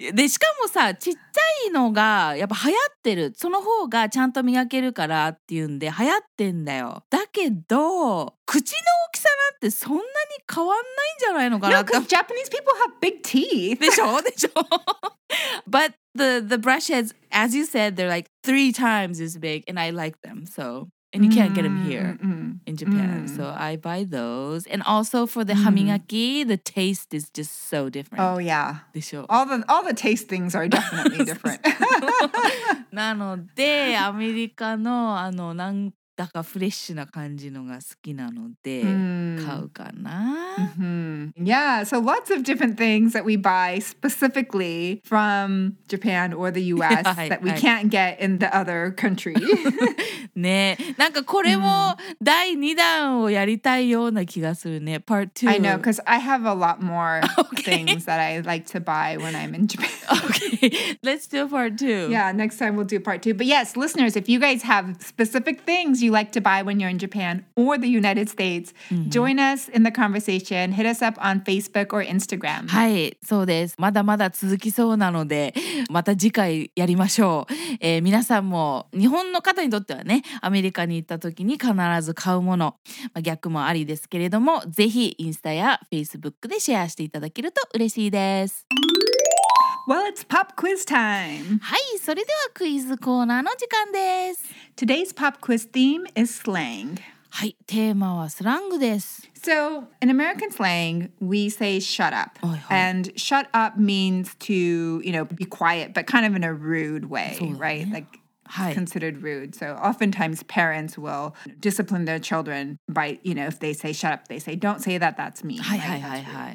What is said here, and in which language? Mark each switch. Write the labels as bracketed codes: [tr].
[ja] でしかもさ、ちっちゃいのがやっぱ流行ってる。その方がちゃんと磨けるからっていうんで流行ってんだよ。だけど口の大きさなんてそんなに変わんないんじゃないのかな。 [en] No, because Japanese people have big teeth. [ja] でしょでしょ。 [en] But the brush heads, as you said, they're like three times as big, and I like them so. And you can't get them here in Japan. Mm. So I buy those. And also for the hamigaki, the taste is just so different. Oh, yeah. [ja] でしょ? [en] All the taste things are definitely different. [ja] なので、アメリカの、あの、なんだかフレッシュな感じのが好きなので、買うかな。 Mm-hmm. [en] Yeah, so lots of different things that we buy specifically from Japan or the US yeah, that we can't get in the other country. [ja] ね、なんかこれも第2弾をやりたいような気がするね。 [en] Part 2. I know, because I have a lot more things that I like to buy when I'm in Japan. Okay, let's do part 2. Yeah, next time we'll do part 2. But yes, listeners, if you guys have specific things you like to buy when you're in Japan or the United States, join us in the conversation. Hit us up on Facebook or Instagram. [ja] はい、そうです。まだまだ続きそうなので、また次回やりましょう。皆さんも日本の方にとってはね、アメリカに行った時に必ず買うもの、まあ、逆もありですけれども、ぜひインスタやフェイスブックでシェアしていただけると嬉しいです。 [en] Well, it's pop quiz time. [ja] はい、それではクイズコーナーの時間です。 [en] Today's pop quiz theme is slang. [ja] はい、テーマはスラングです。 [en] So, in American slang, we say shut up. [ja] はいはい。 [en] And shut up means to, you know, be quiet, but kind of in a rude way, [ja] そうだね。 [en] right? Like,It's considered rude. So oftentimes parents will discipline their children by, you know, if they say shut up, they say, don't say that, that's me. Hi, hi, hi, hi.